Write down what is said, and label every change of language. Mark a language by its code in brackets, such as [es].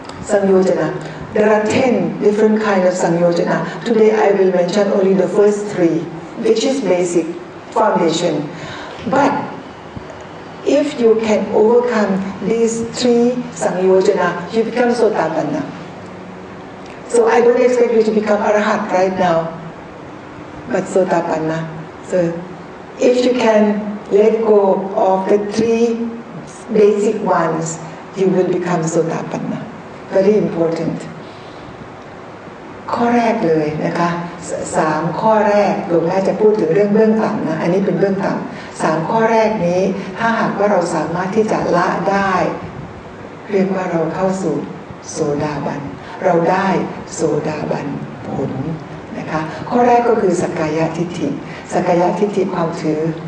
[en] สังโยชนะ There are 10 different kind of สังโยชนะ Today I will mention only the first 3 which is basic foundation butIf you can overcome these three sanyojana, you become sotapanna. So I don't expect you to become arahat right now, but sotapanna. So if you can let go of the three basic ones, you will become sotapanna. Very important. [th] ข้อแรกเลยนะคะสามข้อแรกหลวงแม่จะพูดถึงเรื่องเบื้องต่ำนะอันนี้เป็นเบื้องต่ำสามข้อแรกนี้ถ้าหากว่าเราสามารถที่จะละได้เรียกว่าเราเข้าสู่โสดาบันเราได้โสดาบันผลนะคะข้อแรกก็คือสักกายทิฏฐิสักกายทิฏฐิความถือ